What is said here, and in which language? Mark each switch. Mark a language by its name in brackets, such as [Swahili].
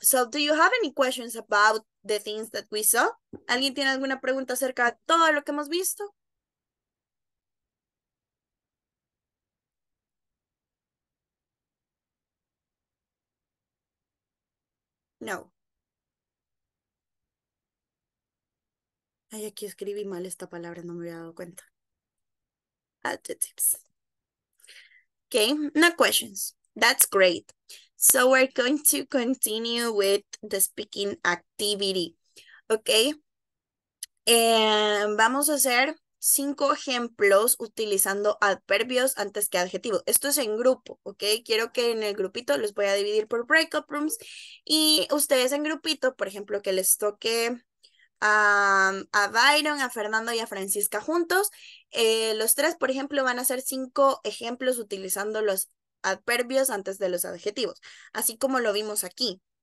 [English] So, do you have any questions about the things that we saw? [Spanish] ¿Alguien tiene alguna pregunta acerca de todo lo que hemos visto? No. Ay, aquí escribí mal esta palabra, no me había dado cuenta. [English] Adjectives. Okay, no questions. That's great. So we're going to continue with the speaking activity. Okay. [Spanish] Vamos a hacer 5 ejemplos utilizando adverbios antes que adjetivos. Esto es en grupo, ¿ok? Quiero que en el grupito los voy a dividir por breakout rooms y ustedes en grupito, por ejemplo, que les toque a Byron, a Fernando y a Francisca juntos, los tres, por ejemplo, van a hacer 5 ejemplos utilizando los adverbios antes de los adjetivos, así como lo vimos aquí.